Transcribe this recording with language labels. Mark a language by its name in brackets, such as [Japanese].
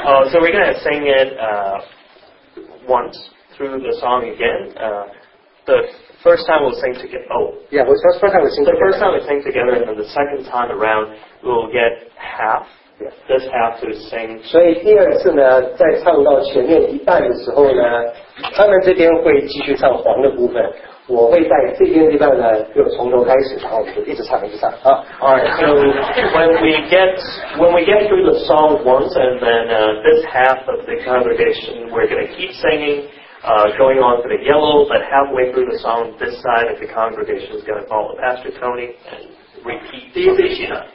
[English] So we're going to sing it once through the song again. The first time we'll sing together. Oh. Yeah, well, that's the first time we'll sing together. The first time we sing together, and then the second time around, we'll get half. Yeah. This half to sing. [Chinese] 所以第二次呢，在唱到前面一半的时候呢，他们这边会继续唱黄的部分。我会在这边地方呢，就从头开始，然后就一直唱，一直唱啊。 [English] All right. So when we get through the song once, and then this half of the congregation, we're going to keep singing, going on to the yellow. But halfway through the song, this side of the congregation is going to follow Pastor Tony and repeat the initiation,